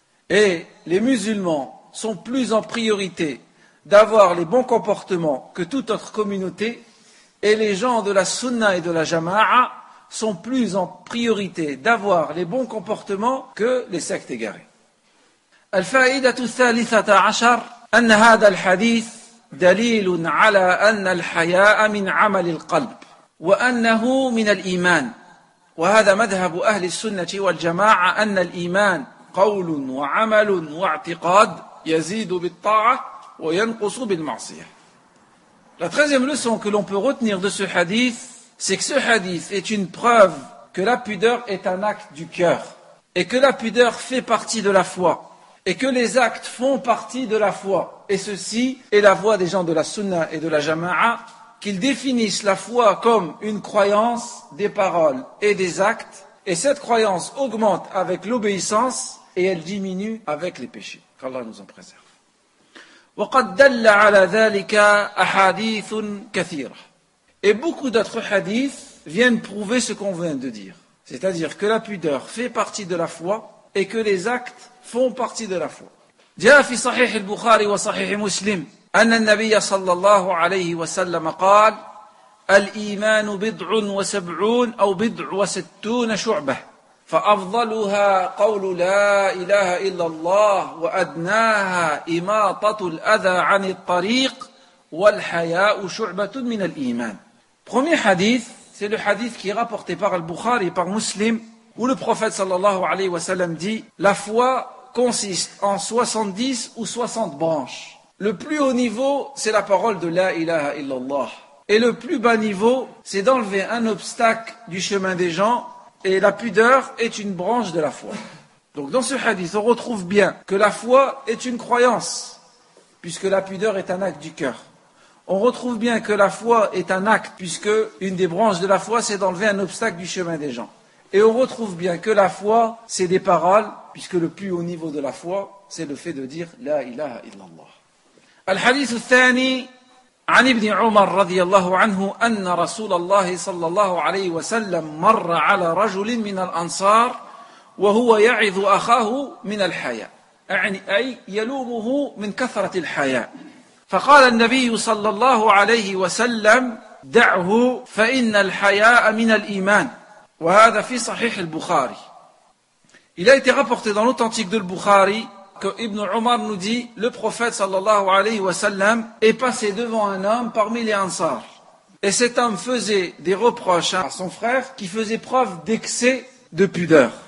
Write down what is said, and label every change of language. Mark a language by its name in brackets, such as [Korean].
[French] Et les musulmans sont plus en priorité d'avoir les bons comportements que toute autre communauté, et les gens de la sunna et de la jama'a sont plus en priorité d'avoir les bons comportements que les sectes égarées. [Arabic] Al-fa'idatu thalithata ashar, أن هذا الحديث دليل على أن الحياء من عمل القلب وأنه من الإيمان وهذا مذهب أهل السنة والجماعة أن الإيمان قول وعمل واعتقاد يزيد بالطاعة وينقص بالمعصية. [French] La treizième leçon que l'on peut retenir de ce hadith, c'est que ce hadith est une preuve que la pudeur est un acte du cœur et que la pudeur fait partie de la foi, et que les actes font partie de la foi, et ceci est la voix des gens de la sunna et de la jama'a, qu'ils définissent la foi comme une croyance des paroles et des actes, et cette croyance augmente avec l'obéissance, et elle diminue avec les péchés. Qu'Allah nous en préserve. [Arabic] وَقَدْ دَلَّ عَلَى ذَلِكَ أَحَادِيثٌ كَثِيرَةٌ. [French] Et beaucoup d'autres hadiths viennent prouver ce qu'on vient de dire. C'est-à-dire que la pudeur fait partie de la foi et que les actes font partie de la foi. [Arabic] جاء في صحيح البخاري وصحيح مسلم أن النبي صلى الله عليه وسلم قال الإيمان بضع وسبعون أو بضع وستون شعبة فأفضلها قول لا إله إلا الله وأدناها إماطة الأذى عن الطريق والحياء شعبة من الإيمان. [French] Premier hadith, c'est le hadith qui est rapporté par Al-Bukhari et par Muslim, où le prophète [Arabic] sallallahu alayhi wa sallam [French] dit « La foi consiste en 70 ou 60 branches. Le plus haut niveau, c'est la parole de « [Arabic] La ilaha illallah ». [French] Et le plus bas niveau, c'est d'enlever un obstacle du chemin des gens, et la pudeur est une branche de la foi. » Donc dans ce hadith, on retrouve bien que la foi est une croyance, puisque la pudeur est un acte du cœur. On retrouve bien que la foi est un acte, puisque une des branches de la foi, c'est d'enlever un obstacle du chemin des gens. Et on retrouve bien que la foi, c'est des paroles, puisque le plus haut niveau de la foi, c'est le fait de dire « [Arabic] La ilaha illallah ». Al-Hadith al-Thani, عن ibn Umar رضي الله عنه, أن رسول الله صلى الله عليه وسلم مر على رجل من الأنصار وهو يعظ أخاه من الحياء. أي يلومه من كثرة الحياء. فقال النبي صلى الله عليه وسلم دعه فإن الحياء من الإيمان. وهذا في صحيح البخاري. [French] Il a été rapporté dans l'authentique de Bukhari que Ibn Umar nous dit, le prophète [Arabic] sallallahu alayhi wa sallam [French] est passé devant un homme parmi les Ansar. Et cet homme faisait des reproches à son frère qui faisait preuve d'excès de pudeur.